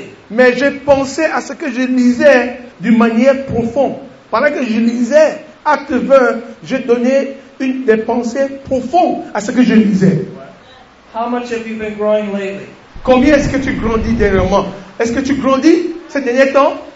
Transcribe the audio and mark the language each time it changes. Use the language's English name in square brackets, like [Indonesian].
[French] Mais j'ai pensé à ce que je lisais d'une manière profonde. Pendant que je lisais Acte 20, j'ai donné des pensées profondes à ce que je lisais. [English] How much have you been growing lately? [French] Combien est-ce que tu grandis dernièrement? Est-ce que tu grandis ces derniers temps?